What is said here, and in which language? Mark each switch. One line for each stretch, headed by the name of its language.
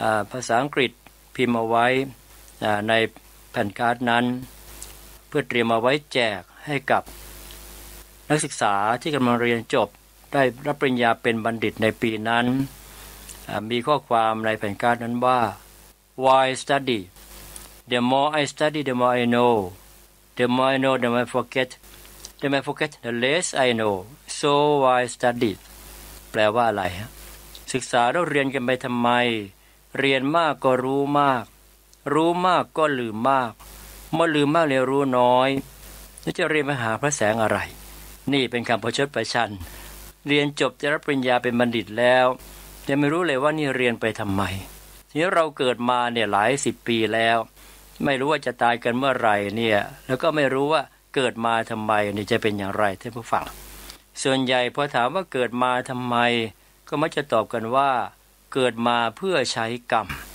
Thai: ภาษาอังกฤษพิมพ์เอาไว้ในแผ่นการ์ดนั้นเพื่อเตรียมเอาไว้แจกให้กับนักศึกษาที่กำลังเรียนจบได้รับปริญญาเป็นบัณฑิตในปีนั้นมีข้อความในแผ่นการ์ดนั้นว่า Why study?
English: The more I study, the more I know. The more I know, the more I forget. The more I forget, the less I know. So why study?
Thai: แปลว่าอะไรฮะศึกษาแล้วเรียนกันไปทำไมเรียนมากก็รู้มากรู้มากก็ลืมมากเมื่อลืมมากเลยรู้น้อยแล้วจะเรียนมาหาพระแสงอะไรนี่เป็นคำประชดประชัน เรียนจบจะรับปริญญาเป็นบัณฑิตแล้วยังไม่รู้เลยว่านี่เรียนไปทำไมทีนี้เราเกิดมาเนี่ยหลายสิบปีแล้วไม่รู้ว่าจะตายกันเมื่อไหร่เนี่ยแล้วก็ไม่รู้ว่าเกิดมาทำไมนี่จะเป็นอย่างไรท่านผู้ฟังส่วนใหญ่พอถามว่าเกิดมาทำไมก็มักจะตอบกันว่าเกิดมาเพื่อใช้กรรม